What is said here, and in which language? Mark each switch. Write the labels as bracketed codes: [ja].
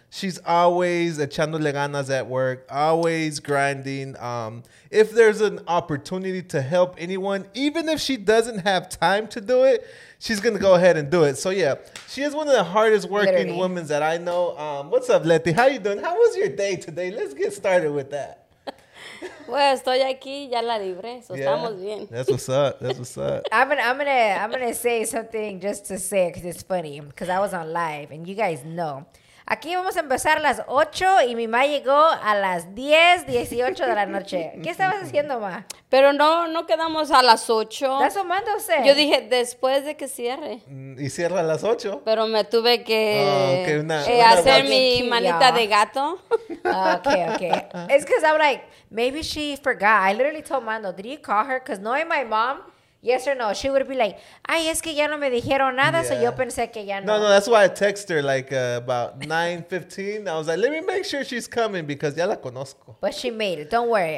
[en] She's always [es] echándole ganas [en] at work, always grinding. If there's an opportunity to help anyone, even if she doesn't have time to do it, she's going to go ahead and do it. So, yeah, she is one of the hardest working women that I know. What's up, Letty? How you doing? How was your day today? Let's get started with that. [es] Well, estoy aquí, ya la libre, so estamos bien. [en] That's what's up. I'm gonna say something just to say it because it's funny, because I was on live, and you guys know. [es] Aquí vamos a empezar a las 8, y mi ma llegó a las 10:18 de la noche. ¿Qué estabas haciendo, ma? Pero no quedamos a las 8. ¿Estás sumándose? Yo dije, después de que cierre. Y cierra a las 8. Pero me tuve que hacer mi manita de gato. [en] Okay. It's because I'm like, maybe she forgot. I literally told Mando, did you call her? Because knowing my mom, yes or no, she would be like, [es] ay, es que ya no me dijeron nada, so yo pensé que ya no. [en] No, that's why I text her like about 9:15. I was like, let me make sure she's coming because [es] ya la conozco. [en] But she made it. Don't worry.